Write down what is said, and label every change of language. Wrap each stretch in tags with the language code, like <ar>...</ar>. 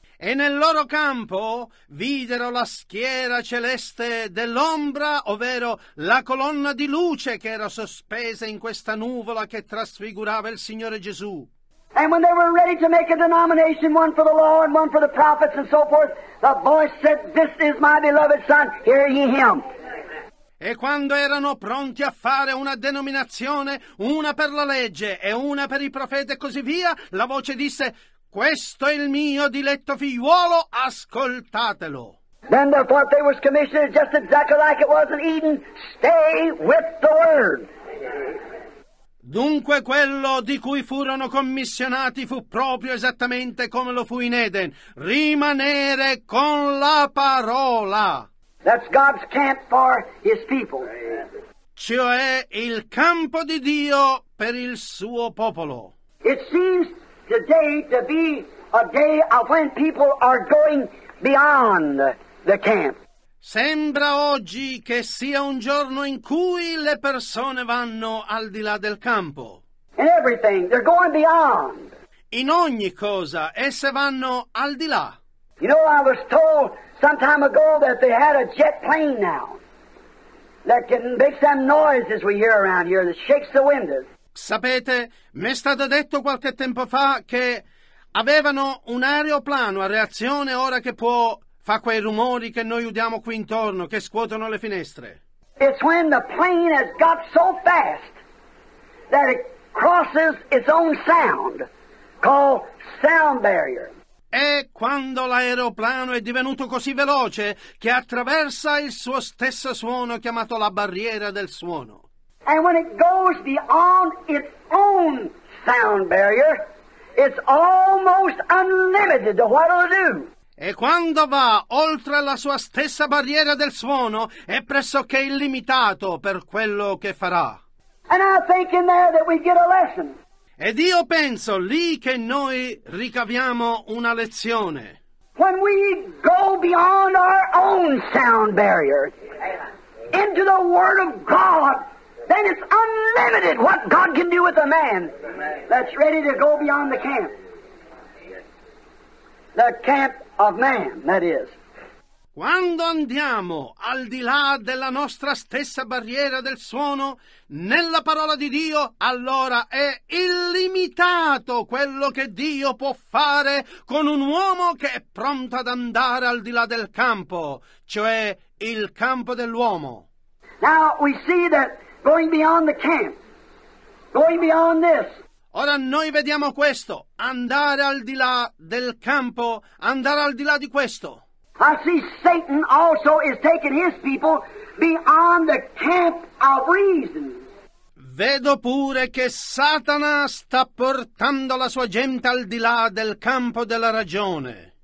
<it>E nel loro campo videro la schiera celeste dell'ombra, ovvero la colonna di luce che era sospesa in questa nuvola che trasfigurava il Signore Gesù.</it> <en>And when they were ready to make a denomination, one for the law and one for the prophets and so forth, the voice said, this is my beloved son, hear ye him.</en> <it>E quando erano pronti a fare una denominazione, una per la legge e una per i profeti e così via, la voce disse, questo è il mio diletto figliuolo, ascoltatelo.</it> <en>Then the thought they was commissioned just exactly like it was in Eden, stay with the word.</en> <it>Dunque quello di cui furono commissionati fu proprio esattamente come lo fu in Eden, rimanere con la parola.</it> <en>That's God's camp for his people.</en> <it>Cioè il campo di Dio per il suo popolo.</it> <en>It seems today to be a day of when people are going beyond the camp.</en> <it>Sembra oggi che sia un giorno in cui le persone vanno al di là del campo.</it> <en>In everything, they're going beyond.</en> <it>in ogni cosa, esse vanno al di là.</it> <en>You know, I was told some time ago that they had a jet plane now that can make some noises we hear around here that shakes the windows.</en> <it>Sapete, mi è stato detto qualche tempo fa che avevano un aeroplano a reazione ora che può fa quei rumori che noi udiamo qui intorno, che scuotono le finestre.</it> <en>It's when the plane has got so fast that it crosses its own sound, called sound barrier.</en> <it>È quando l'aeroplano è divenuto così veloce che attraversa il suo stesso suono, chiamato la barriera del suono.</it> <en>And when it goes beyond its own sound barrier, it's almost unlimited to what it'll do.</en> <it>E quando va oltre la sua stessa barriera del suono, è pressoché illimitato per quello che farà.</it> <en>And I think in there that we get a lesson.</en> <it>Ed io penso lì che noi ricaviamo una lezione.</it> <en>When we go beyond our own sound barrier into the Word of God, then it's unlimited what God can do with a man that's ready to go beyond the camp. The camp of man, that is.</en> <it>Quando andiamo al di là della nostra stessa barriera del suono, nella parola di Dio, allora è illimitato quello che Dio può fare con un uomo che è pronto ad andare al di là del campo, cioè il campo dell'uomo.</it> <en>Now we see that going beyond the camp, going beyond this.</en> <it>Ora noi vediamo questo, andare al di là del campo, andare al di là di questo.</it> <en>I see Satan also is taking his people beyond the camp of reason.</en> <it>Vedo pure che Satana sta portando la sua gente al di là del campo della ragione.</it>